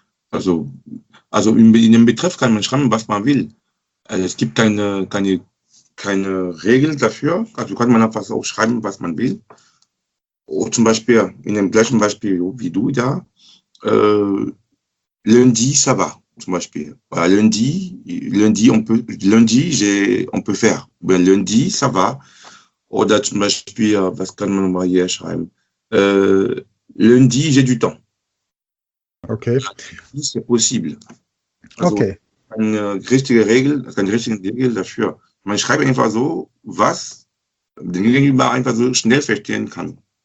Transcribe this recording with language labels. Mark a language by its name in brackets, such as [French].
[German] Also in dem Betreff kann man schreiben, was man will. Also es gibt keine Regel dafür. Also kann man einfach auch schreiben, was man will. Oder zum Beispiel in dem gleichen Beispiel wie du da. [French] Lundi, ça va, [German] zum Beispiel. [French] Oder lundi, on peut faire. Ben, lundi, ça va. [German] Oder zum Beispiel, was kann man mal hier schreiben? [French] Lundi, j'ai du temps. Okay. C'est possible. [German] Also, okay. Eine richtige Regel dafür. Man schreibt einfach so, was den Gegenüber einfach so schnell verstehen kann.